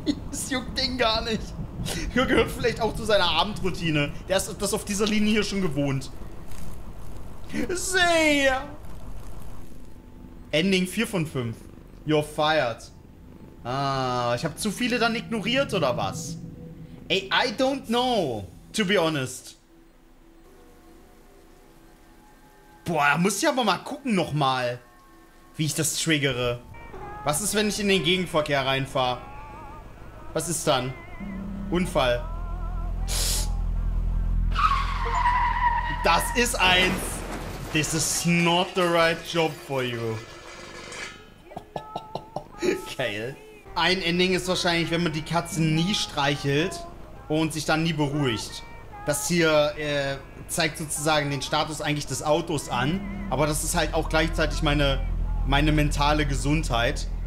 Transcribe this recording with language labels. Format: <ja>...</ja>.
<de>Das juckt den gar nicht. Hier gehört vielleicht auch zu seiner Abendroutine. Der ist das auf dieser Linie hier schon gewohnt. Sehr! Ending 4 von 5.</de> <en>You're fired.</en> <de>Ah, ich habe zu viele dann ignoriert oder was?</de> <en>Ey, I don't know, to be honest.</en> <de>Boah, muss ich aber mal gucken nochmal, wie ich das triggere. Was ist, wenn ich in den Gegenverkehr reinfahre? Was ist dann? Unfall. Das ist eins.</de> <en>This is not the right job for you.</en> <de>Geil. Ein Ending ist wahrscheinlich, wenn man die Katze nie streichelt und sich dann nie beruhigt. Das hier zeigt sozusagen den Status eigentlich des Autos an. Aber das ist halt auch gleichzeitig meine mentale Gesundheit.</de>